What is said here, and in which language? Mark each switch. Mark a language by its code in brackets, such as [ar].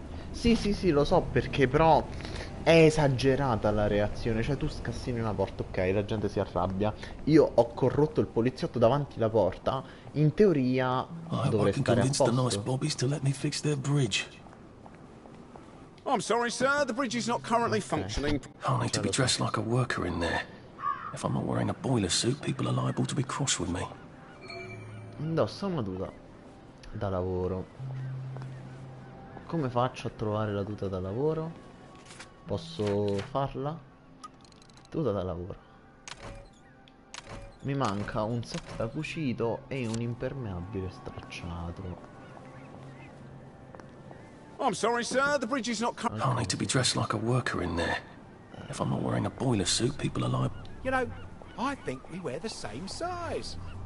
[it] Sì, lo so perché, però è esagerata la reazione. Cioè tu scassini una porta, ok, la gente si arrabbia. Io ho corrotto il poliziotto davanti alla porta. In teoria dovrei stare a posto. [en] Nice bobbies to let me fix their bridge. I'm sorry sir, the bridge is not currently functioning. I need to be dressed like a worker in there. If I'm not wearing a boiler suit, people are liable to be cross with me. [it] Indosso una tuta da lavoro. Come faccio a trovare la tuta da lavoro? Posso farla? Tuta da lavoro. Mi manca un set da cucito e un impermeabile stracciato. [en] I'm sorry, sir. The bridge is not coming. I need to be dressed like a worker in there. If I'm not wearing a boiler suit, people are liable. You know, I think we wear the same size.